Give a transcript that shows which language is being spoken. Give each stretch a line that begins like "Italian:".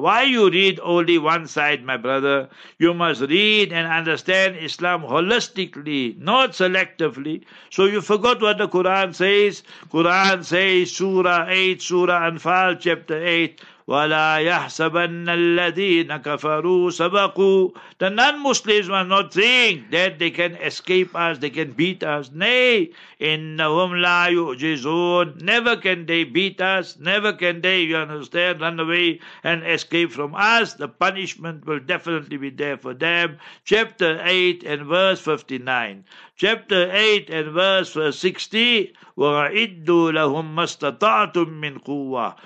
English: Why you read only one side, my brother? You must read and understand Islam holistically, not selectively. So you forgot what the Quran says. Quran says, Surah 8, Surah Anfal, chapter 8,
Arabic: وَلَا يَحْسَبَنَّ الَّذِينَ كَفَرُوا سَبَقُوا.
English: The non-Muslims will not think that they can escape us, they can beat us. Nay,
Arabic: إِنَّهُمْ لَا يُعْجِزُونَ.
English: Never can they beat us, never can they, you understand, run away and escape from us. The punishment will definitely be there for them. Chapter 8 and verse 59. Chapter 8 and verse 60.
Arabic: وَعِدُّوا لَهُمْ مَسْتَطَعْتُمْ مِنْ قُوَّةٍ.